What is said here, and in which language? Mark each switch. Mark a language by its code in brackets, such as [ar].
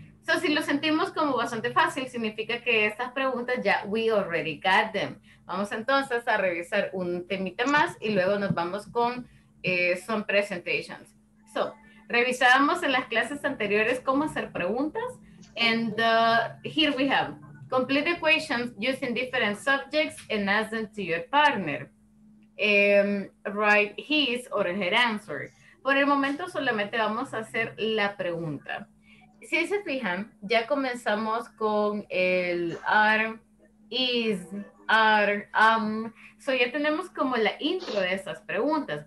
[es] So, si lo sentimos como bastante fácil, significa que estas preguntas ya [en] we already got them. [es] Vamos entonces a revisar un temita más y luego nos vamos con [en] some presentations. [es] So, revisábamos en las clases anteriores cómo hacer preguntas. [en] And here we have complete equations using different subjects and ask them to your partner. Write his or her answer. [es] Por el momento solamente vamos a hacer la pregunta. Si se fijan, ya comenzamos con el are, is, are, so ya tenemos como la intro de esas preguntas.